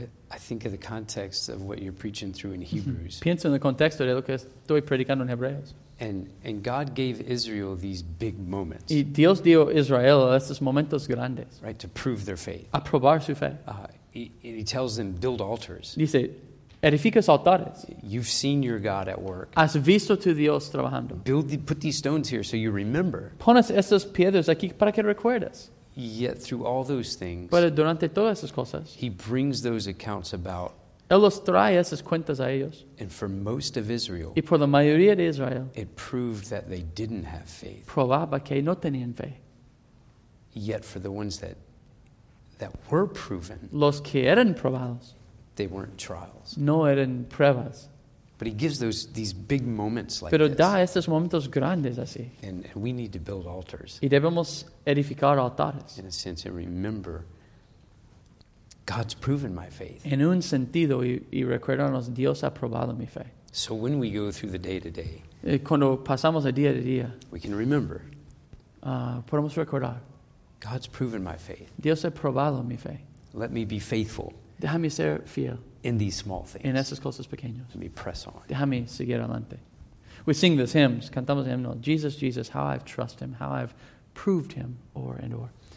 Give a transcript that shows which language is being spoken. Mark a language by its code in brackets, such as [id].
[en] I think of the context of what you're preaching through in Hebrews. [es] Pienso en el contexto de lo que estoy predicando en Hebreos. [en] And God gave Israel these big moments. [es] Y Dios dio a Israel estos momentos grandes. [en] Right, to prove their faith. [es] A probar su fe. [en] He tells them, build altars. [es] Dice, edificas altares. [en] You've seen your God at work. [es] Has visto tu Dios trabajando. [en] Put these stones here so you remember. [es] Pones estas piedras aquí para que recuerdes. [en] Yet through all those things, [es] pero durante todas esas cosas, [en] he brings those accounts about. [es] Él los trae esas cuentas a ellos. [en] And for most of Israel, [es] y por la mayoría de Israel, [en] it proved that they didn't have faith. [es] Probaba que no tenían fe. [en] Yet for the ones that were proven, [es] los que eran probados, [en] they weren't trials. [es] No eran pruebas. [en] But he gives these big moments like [es] pero [en] this. [es] Da estos momentos grandes así. [en] And we need to build altars. [es] Y debemos edificar altares. [en] In a sense, and remember, God's proven my faith. [es] En un sentido, y recuérdanos, Dios ha probado mi fe. [en] So when we go through the day to day, [es] cuando pasamos el día a día, [en] we can remember. [es] Podemos recordar. [en] God's proven my faith. [es] Dios ha probado mi fe. [en] Let me be faithful. [es] Déjame ser fiel. [en] In these small things. [es] En esas cosas pequeñas. [en] Let me press on. [es] Déjame seguir adelante. [en] We sing these hymns. [es] Cantamos el himno. [en] Jesus, Jesus, how I've trusted him. How I've proved him o'er and o'er.